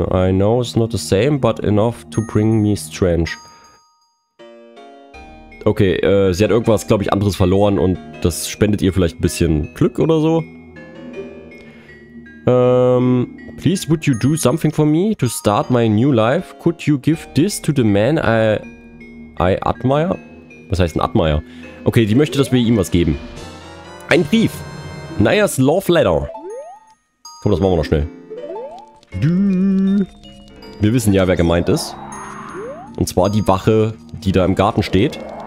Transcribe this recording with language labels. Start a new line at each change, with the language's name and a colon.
English: I know it's not the same, but enough to bring me strange.
German: Okay, sie hat irgendwas, glaube ich, anderes verloren und das spendet ihr vielleicht ein bisschen Glück oder so.
English: Please would you do something for me to start my new life? Could you give this to the man I admire?
German: Was heißt ein Admire? Okay, die möchte, dass wir ihm was geben. Ein Brief. Naya's Love Letter. Komm, das machen wir noch schnell. Wir wissen ja, wer gemeint ist. Und zwar die Wache, die da im Garten steht.